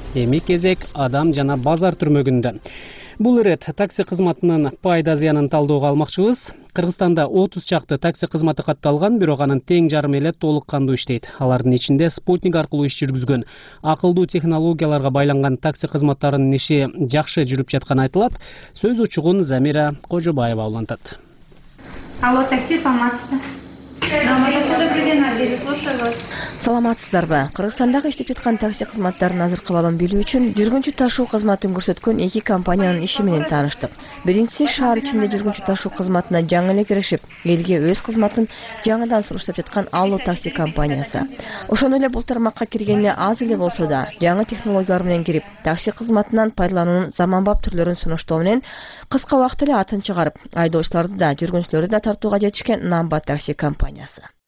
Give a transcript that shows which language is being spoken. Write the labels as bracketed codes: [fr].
[ky] Эми кезек адам жана базар түрмөгүндө. Бул ирет такси кызматынын пайда зыянын талдоого алмакчыбыз. Кыргызстанда 30 чакты такси кызматы катталган, бирок анын тең жарымы эле толук кандуу иштейт. Алардын ичинде спутник аркылуу иш жүргүзгөн, акылдуу технологияларга байланган такси кызматтарынын иши жакшы жүрүп жатканы айтылат. Сөз учугун Замира Кожобаева улантат. Алло, такси, саламатсызбы? [ru] Добрый день, Наргиз, слушаю вас. [ky] Саламатсыздарбы? Кыргызстандагы иштеп жаткан такси кызматтарынын азыркы абалын билүү үчүн жүргүнчү ташуу кызматын көрсөткөн эки компаниянын иши менен тааныштык. Биринчиси шаар ичинде жүргүнчү ташуу кызматына жаңы эле киришип, элге өз кызматын жаңыдан сунуштап жаткан Алло такси компаниясы. Ошону эле бул тармакка киргенине аз эле болсо да, жаңы технологиялар менен кирип, такси кызматынан пайдаланууну заманбап түрлөрүн сунуштоо менен кыска убакыт эле атын чыгарып, айдоочуларды да, жүргүнчүлөрдү да тартууга жетишкен Намба такси компаниясы.